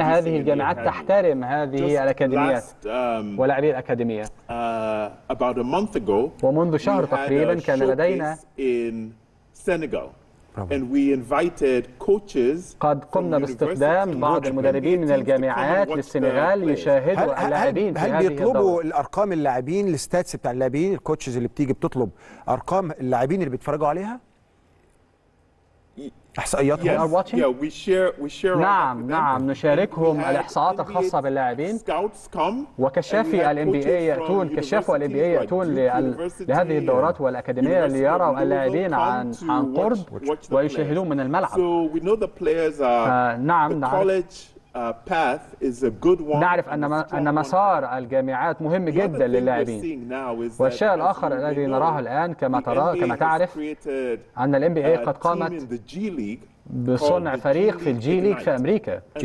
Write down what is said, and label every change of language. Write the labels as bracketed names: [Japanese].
[Arabic] هذه الجامعات تحترم هذه الأكاديميات ولاعبي الأكاديمية. [English] About a month ago, [Arabic] ومنذ شهر تقريبا كان لدينا [English] in Senegal, and we invited coaches. [Arabic] قد قمنا باستخدام بعض المدربين من الجامعات للسنغال ليشاهدوا اللاعبين. هل بيطلبوا الأرقام اللاعبين، الستاتس بتاع اللاعبين، الكوتشز اللي بتيجي بتطلب أرقام اللاعبين اللي بيتفرجوا عليها؟ احصائياتهم [English] are watching. Yeah, we share [Arabic] نعم نشاركهم الاحصاءات الخاصه باللاعبين. وكشافي NBA ياتون، كشافوا NBA ياتون لهذه الدورات والاكاديميه ليروا اللاعبين عن قرب ويشاهدون من الملعب. [English] So we know the players are [Arabic] نعم. [English] College path is a good one. [Arabic] نعرف ان مسار الجامعات مهم جدا للاعبين. والشيء الاخر الذي نراه الان كما تعرف ان الـ NBA قد قامت بصنع فريق في الجي ليج في امريكا.